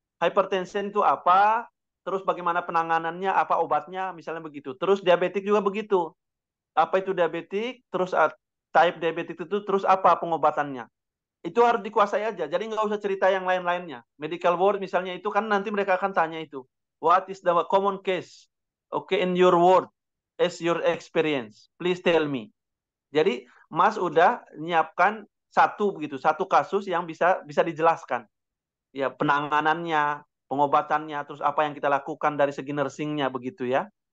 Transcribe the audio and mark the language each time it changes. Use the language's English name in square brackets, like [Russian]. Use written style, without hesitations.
[Indonesian] hypertension itu apa, terus bagaimana penanganannya, apa obatnya, misalnya begitu. Terus diabetik juga begitu. Apa itu diabetik, terus type diabetik itu, terus apa pengobatannya. Itu harus dikuasai aja, jadi nggak usah cerita yang lain-lainnya. Medical ward misalnya itu kan nanti mereka akan tanya itu. [English] What is the common case? Okay, in your ward, as your experience, please tell me. [Indonesian] Jadi Mas udah nyiapkan satu begitu, satu kasus yang bisa dijelaskan. Ya, penanganannya, pengobatannya, terus apa yang kita lakukan dari segi nursing-nya begitu ya.